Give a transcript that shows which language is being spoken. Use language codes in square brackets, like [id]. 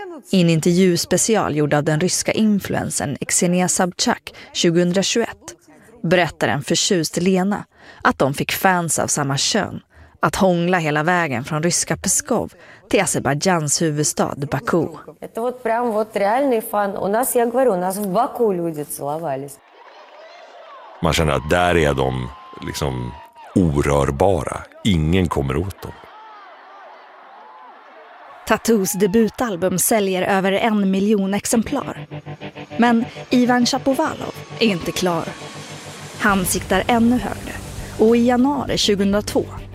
[sv] I en intervjuspecial gjord av den ryska influensen Xenia Sabchak 2021 berättar en förtjust Lena att de fick fans av samma kön att hångla hela vägen från ryska Pskov till Azerbajdzjans huvudstad Baku. [ru] Это вот прям вот реальный фан. У нас, я говорю, у нас в Баку люди целовались. [sv] Man känner att där är de liksom orörbara. Ingen kommer åt dem. Tattoos debutalbum säljer över 1 miljon exemplar. Men Ivan Shapovalov är inte klar. Han siktar ännu högre. Och i januari 2002